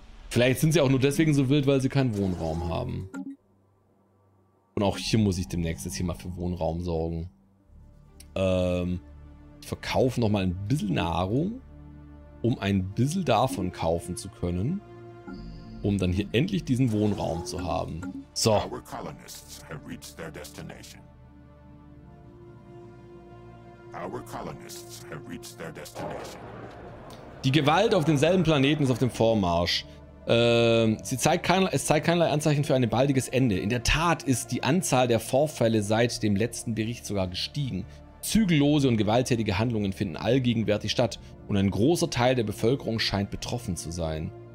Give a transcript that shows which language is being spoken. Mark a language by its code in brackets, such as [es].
[de] Vielleicht sind sie auch nur deswegen so wild, weil sie keinen Wohnraum haben. Und auch hier muss ich demnächst jetzt hier mal für Wohnraum sorgen. Ich verkaufe nochmal ein bisschen Nahrung, um ein bisschen davon kaufen zu können. um dann hier endlich diesen Wohnraum zu haben. So. [en] Our colonists have reached their destination. Our colonists have reached their destination. [de] Die Gewalt auf demselben Planeten ist auf dem Vormarsch. Es zeigt keinerlei Anzeichen für ein baldiges Ende. In der Tat ist die Anzahl der Vorfälle seit dem letzten Bericht sogar gestiegen. Zügellose und gewalttätige Handlungen finden allgegenwärtig statt und ein großer Teil der Bevölkerung scheint betroffen zu sein.